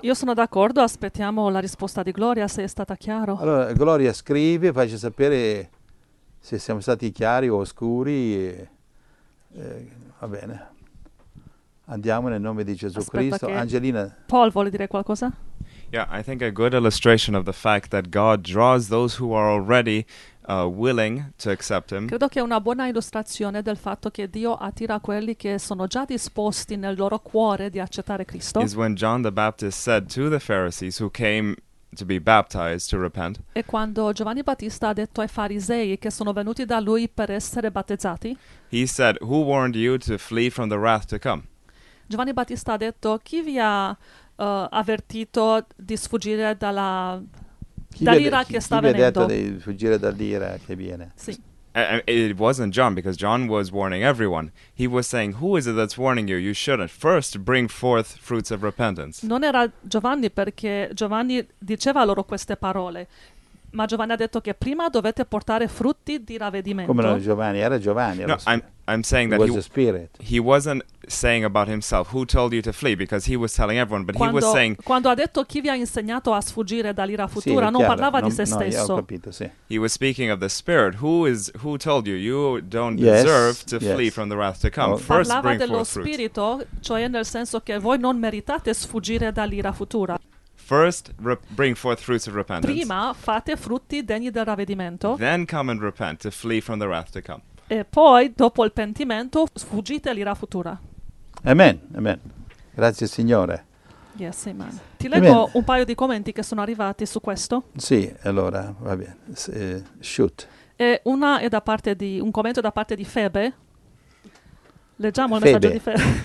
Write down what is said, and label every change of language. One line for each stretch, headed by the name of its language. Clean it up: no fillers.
Italian: Io sono d'accordo, aspettiamo la risposta di Gloria, se è stata chiaro. Allora, Gloria, scrivi, facci sapere se siamo stati chiari o oscuri. Va bene. Andiamo nel nome di Gesù Cristo. Angelina. Paul vuole dire qualcosa?
English: Yeah, I think a good illustration of the fact that God draws those who are already willing to accept him.
Italian: Credo che è una buona illustrazione del fatto che Dio attira quelli che sono già disposti nel loro cuore di accettare Cristo.
English: Is when John the Baptist said to the Pharisees who came to be baptized to repent.
Italian: E quando Giovanni Battista ha detto ai farisei che sono venuti da lui per essere battezzati.
English: He said, "Who warned you to flee from the wrath to come?"
Italian: Giovanni Battista ha detto, "Chi vi ha avvertito di sfuggire dalla dall'ira che sta venendo?" Chi vi ha detto di fuggire dall'ira che viene? Sì.
English: It wasn't John, because John was warning everyone. He was saying, "Who is it that's warning you? You shouldn't first bring forth fruits of repentance."
Italian: Non era Giovanni, perché Giovanni diceva loro queste parole, ma Giovanni ha detto che prima dovete portare frutti di ravvedimento. Come non Giovanni? Era Giovanni.
English: No, I'm saying that he wasn't saying about himself, "Who told you to flee?" Because he was telling everyone, but
Italian: quando,
English: he was saying,
Italian: quando ha detto chi vi ha insegnato a sfuggire dall'ira futura, sì, non parlava di se stesso. Ho capito, sì.
English: He was speaking of the Spirit. Who told you? You don't deserve to flee from the wrath to come. Oh. First
Italian: parlava
English: bring
Italian: dello
English: forth
Italian: Spirito,
English: fruit.
Italian: Cioè nel senso che voi non meritate sfuggire dall'ira futura.
English: First, bring forth fruits of repentance.
Italian: Prima fate frutti degni del ravvedimento.
English: Then come and repent to flee from the wrath to come.
Italian: E poi, dopo il pentimento, sfuggite all'ira futura. Amen, amen. Grazie, Signore.
English: Yes, amen.
Italian: Ti leggo amen un paio di commenti che sono arrivati su questo. Sì, allora, va bene. Shoot. E una è da parte di un commento da parte di Febe. Leggiamo il messaggio di Febe.